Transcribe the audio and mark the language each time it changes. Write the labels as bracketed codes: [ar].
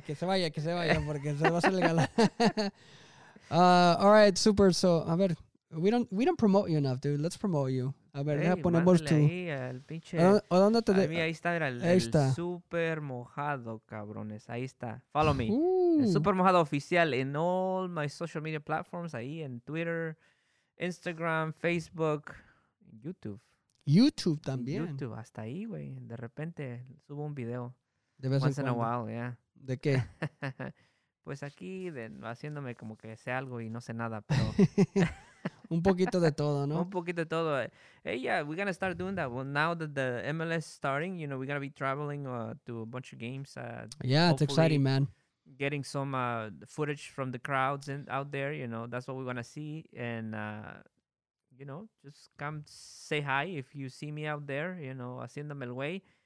[es] Que se vaya, porque se va a ser el galán. [en] All right, super. So, [es] a ver, [en] we don't promote you enough, dude. Let's promote you. [es] A ver, hey, ponemos tú. Ahí está. El super mojado, cabrones. Ahí está. [en] Follow me. [es] Ooh. [en] El super mojado [es] oficial en [en] all my social media platforms. [es] Ahí en Twitter, Instagram, Facebook, YouTube también. YouTube, hasta ahí, güey. De repente subo un video. De vez en cuando. ¿De qué? Pues aquí, haciéndome como que sé algo y no sé nada, pero... Un poquito de todo, ¿no? Un poquito de todo. [en] Hey, yeah, we're going to start doing that. Well, now that the MLS is starting, you know, we're going to be traveling to a bunch of games. Yeah, it's exciting, man. Getting some footage from the crowds out there, you know, that's what we want to see. And, you know, just come say hi if you see me out there, you know, [es] haciéndome el güey.